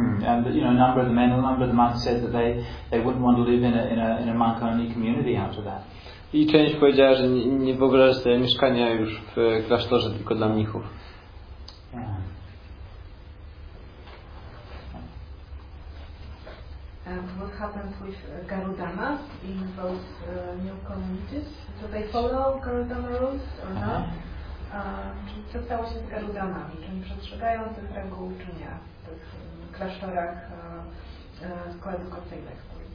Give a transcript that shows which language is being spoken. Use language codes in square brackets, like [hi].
[en] And you know, a number of the men, a number of the monks said that they wouldn't want to live in a monk-only community after that. [pl] I część powiedziała, że nie wyobraża sobie mieszkania już w klasztorze tylko dla mnichów. [en] What happened with Garudama in both new communities? Do they follow Garudama rules or not? [pl] Czy co stało się z Garudamami? Czy przestrzegają tych reguł, czy nie? W tych klasztorach koedukacyjnych.